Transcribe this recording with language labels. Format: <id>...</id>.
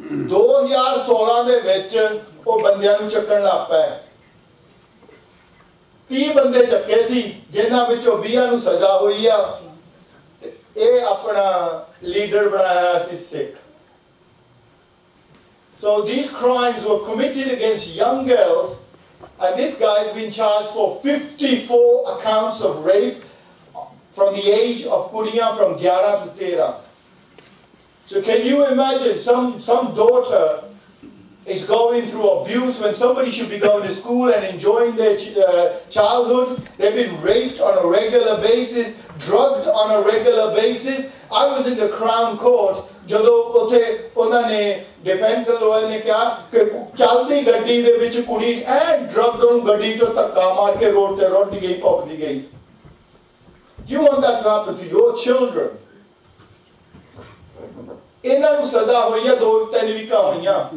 <pa>2016 ਦੇ ਵਿੱਚ ਉਹ ਬੰਦਿਆਂ ਨੂੰ ਚੱਕਣ ਲੱਗ ਪਿਆ, 30 ਬੰਦੇ ਚੱਕੇ ਸੀ ਜਿਨ੍ਹਾਂ ਵਿੱਚੋਂ 20 ਨੂੰ ਸਜ਼ਾ ਹੋਈ ਆ, ਇਹ ਆਪਣਾ ਲੀਡਰ ਬਣਾਇਆ ਸੀ ਸਿੱਖ।</pa> <en>So these crimes were committed against young girls, and this guy has been charged for 54 accounts of rape from the age of Kuriya, from 11 to 13. So can you imagine some daughter is going through abuse when somebody should be going to school and enjoying their childhood? They've been raped on a regular basis, drugged on a regular basis. I was in the Crown Court.</en> <pa>ਜਦੋਂ ਉੱਥੇ ਉਹਨਾਂ ਨੇ defence lower ਨੇ ਕਿਹਾ ਕਿ ਚੱਲਦੀ ਗੱਡੀ ਦੇ ਵਿੱਚ ਕੁੜੀ ਐ ਡਰੱਗ ਨੂੰ ਗੱਡੀ ਤੋਂ ਧੱਕਾ ਮਾਰ ਕੇ ਰੋਡ ਤੇ ਰੋਡ ਗਈ ਭੁੱਕਦੀ ਗਈ</pa> <en>you want that to happen to your children</en> <pa>ਇਹਨਾਂ ਨੂੰ ਸਜ਼ਾ ਹੋਈ ਆ ਦੋ ਤਿੰਨ ਵੀਕਾਂ ਹੋਈਆਂ</pa>